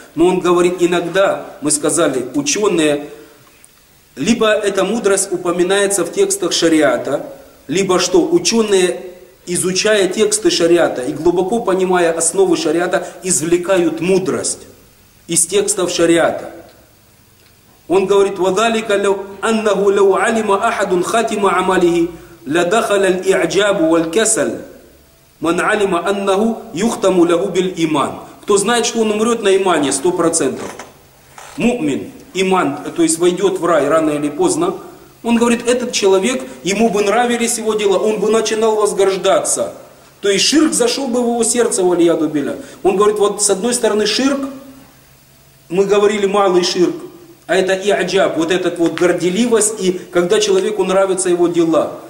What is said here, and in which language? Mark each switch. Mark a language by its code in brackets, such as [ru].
[ru] Но он говорит, иногда, мы сказали, ученые, либо эта мудрость упоминается в текстах шариата, либо что, ученые, изучая тексты шариата и глубоко понимая основы шариата, извлекают мудрость из текстов шариата. [ar] Он говорит, «Вадалика лев аннаху лев алима ахадун хатима амалихи». لدخل الإعجاب والكسل من علم أنه يختم له بالإيمان. [ru] Кто знает, что он умрет на имане 100%. Мумин, иман, то есть войдет в рай рано или поздно. Он говорит, этот человек, ему бы нравились его дела, он бы начинал возгорждаться. То есть ширк зашел бы в его сердце, валияду билля. Он говорит, вот с одной стороны ширк, мы говорили малый ширк, а это иаджаб, вот этот вот горделивость, и когда человеку нравятся его дела.